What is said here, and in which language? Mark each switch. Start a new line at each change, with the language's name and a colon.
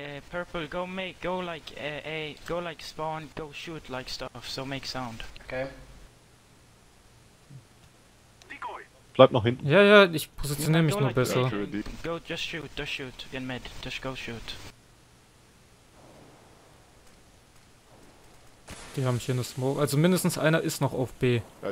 English: Purple, go make, go like A, go like spawn, go shoot like stuff, so make sound. Okay.
German: Bleib noch hinten. Ja, ja, ich positioniere mich nur besser.
English: Go, just shoot, in mid. Just go shoot.
German: Die haben hier eine Smoke. Also mindestens einer ist noch auf B.